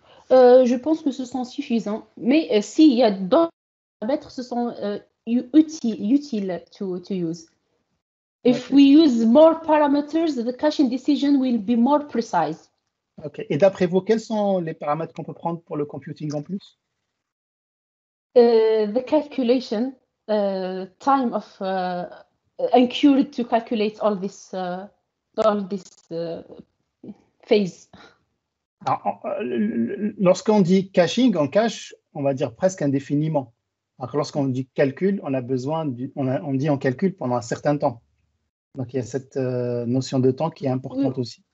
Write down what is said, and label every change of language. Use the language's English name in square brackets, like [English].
[French] Je pense que ce sont suffisants, mais s'il y a d'autres paramètres, ce sont utiles [English] to use. Okay. If we use more parameters, the caching decision will be more precise. Ok. [French] Et d'après vous, quels sont les paramètres qu'on peut prendre pour le computing en plus? [English] The calculation, time of incurred to calculate all this phase. [French] Alors, lorsqu'on dit caching, on cache, on va dire presque indéfiniment. Alors, lorsqu'on dit calcul, on calcule pendant un certain temps. Donc, il y a cette notion de temps qui est importante aussi.